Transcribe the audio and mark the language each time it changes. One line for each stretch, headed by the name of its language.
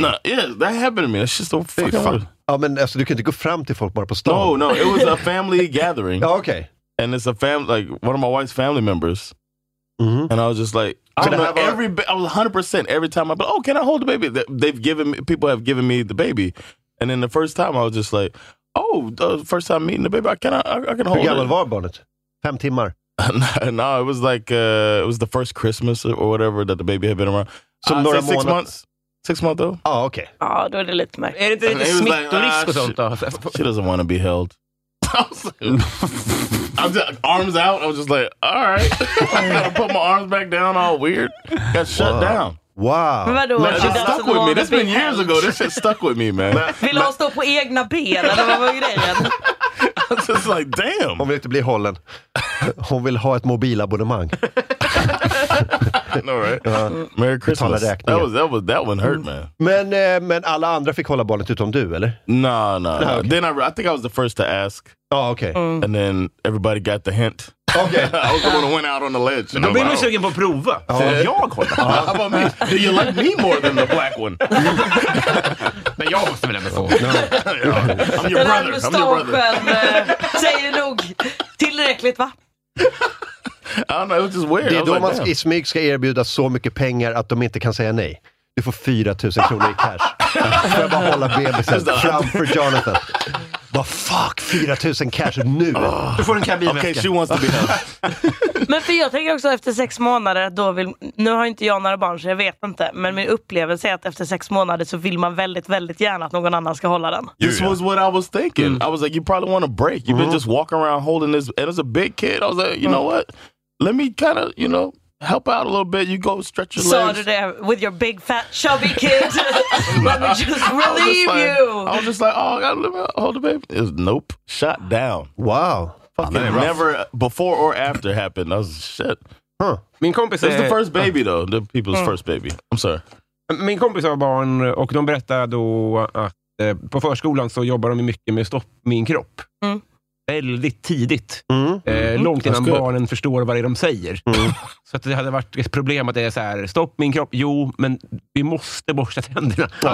English: No, yeah, that happened to me. That's just so fucking funny.
Swedish: Ja, men alltså, du kan inte gå fram till folk bara på stan.
English: No, no, it was a family gathering.
Swedish: Ja, okej.
English: Okay. And it's a family, like, one of my wife's family members. Mm-hmm. And I was just like, I don't know, I was 100% every time I'm like, oh, can I hold the baby? They've given me, people have given me the baby. And then the first time I was just like, oh, the first time meeting the baby, I can hold it.
Swedish: Hur gammal var barnet? 5 timmar?
English: No, it was like, it was the first Christmas or whatever that the baby had been around. So I'd say 6 months. 6 months though? Oh, okay.
Swedish: Oh, då är det lite mer. Är det inte lite smittorisk och sånt då?
English: She doesn't want to be held. I'm just, arms out. I was just like, all right. I gotta put my arms back down all weird. Got shut down. Wow.
Swedish: Men vadå?
English: Man, it stuck with me. That's been years ago. This shit stuck with me, man.
Swedish: Vill hon stå på egna ben? Eller vad var grejen?
English: I'm just like, damn.
Swedish: Hon vill inte bli hållen. Hon vill ha ett mobilabonnemang.
English: No, right. Merry Christmas. That one hurt, man.
Swedish: Men alla andra fick hålla barnet utom du, eller?
English: No. Okay. Then I think I was the first to ask. Oh, okay. Mm. And then everybody got the hint. Okay. I was the one who went out on the ledge.
Swedish: Då blir man sugen på prova. Jag kollar.
English: How about me? Do you like me more than the black one?
Swedish: Men jag måste väl ändå få.
English: No. Yeah. I'm your brother.
Swedish: Säger nog tillräckligt, va?
English: I don't know, it was just weird.
Swedish: Det är då
English: like,
Swedish: man i smyg ska erbjuda så mycket pengar att de inte kan säga nej. Du får 4000 kronor i cash. För att bara hålla bebisen framför Jonathan. Vad fuck, 4000 cash nu? Du får en kabinväska.
English: Okay, she wants to be held.
Swedish: Men för jag tänker också efter 6 månader, då vill, nu har inte jag några barn så jag vet inte. Men min upplevelse är att efter 6 månader så vill man väldigt, väldigt gärna att någon annan ska hålla den.
English: This was what I was thinking. Mm. I was like, you probably want a break. You've been just walking around holding this. And it's a big kid. I was like, you know what? Let me kind of, you know, help out a little bit. You go stretch your legs. So today, with your big, fat, chubby kid. Let me just relieve you. I was just like, oh, I got to hold the baby. It was, nope. Shot down. Wow. Fucking never before or after happened. That was shit. Huh.
Swedish: Min kompis
English: is the first baby, though. The people's first baby. I'm sorry.
Swedish: Min kompis har barn, och de berättade då att på förskolan så jobbar de mycket med stopp min kropp. Mm. Väldigt tidigt. Långt innan barnen förstår vad det är de säger. Så att det hade varit ett problem att det är så här: stopp min kropp, jo, men vi måste borsta tänderna.